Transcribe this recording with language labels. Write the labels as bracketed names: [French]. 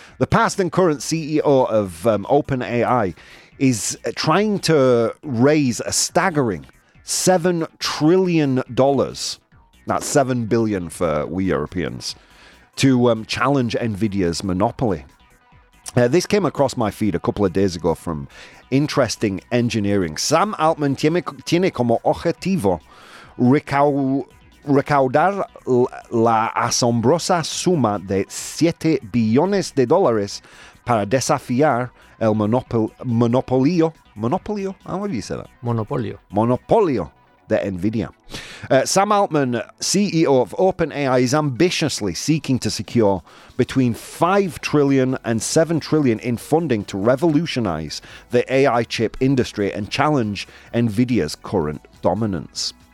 [English] The past and current CEO of OpenAI is trying to raise a staggering $7 trillion, that's $7 billion for we Europeans, to challenge Nvidia's monopoly. This came across my feed a couple of days ago from Interesting Engineering. [Spanish] Sam Altman tiene como objetivo recaudar la asombrosa suma de 7 billones de dólares para desafiar el monopolio. [English] Monopolio? How do you say that? [Spanish] Monopolio. [English] Monopolio. The NVIDIA. Sam Altman, CEO of OpenAI, is ambitiously seeking to secure between $5 trillion and $7 trillion in funding to revolutionize the AI chip industry and challenge NVIDIA's current dominance.